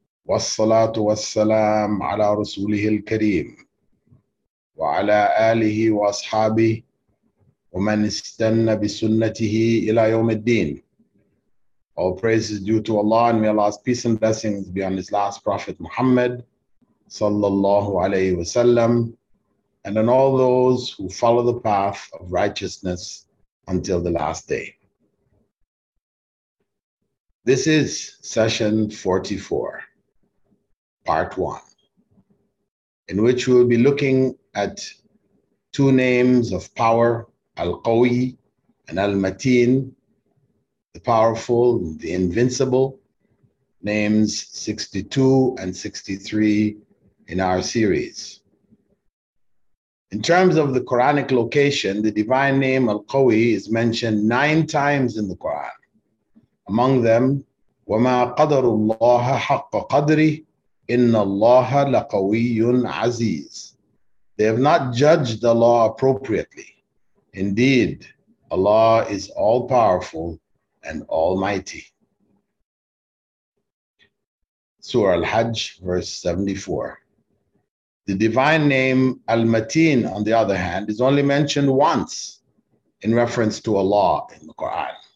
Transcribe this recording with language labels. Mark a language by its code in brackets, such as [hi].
[ar] والصلاة والسلام على رسوله الكريم وعلى آله وأصحابه ومن استنى بسنته إلى يوم الدين. [en] All praise is due to Allah, and may Allah's peace and blessings be on His last Prophet Muhammad [ar] صلى الله عليه وسلم, [en] and on all those who follow the path of righteousness until the last day. This is session 44, part 1, in which we will be looking at two names of power, Al-Qawi and Al-Mateen, the powerful, the invincible, names 62 and 63 in our series. In terms of the Quranic location, the divine name Al-Qawi is mentioned 9 times in the Quran. Among them, [ar] وَمَا قَدَرُ اللَّهَ حَقَّ قَدْرِ إِنَّ اللَّهَ لَقَوِيٌّ عَزِيزٌ. [en] They have not judged Allah appropriately. Indeed, Allah is all-powerful and almighty. Surah Al-Hajj, verse 74. The divine name Al-Mateen, on the other hand, is only mentioned once in reference to Allah in the Quran.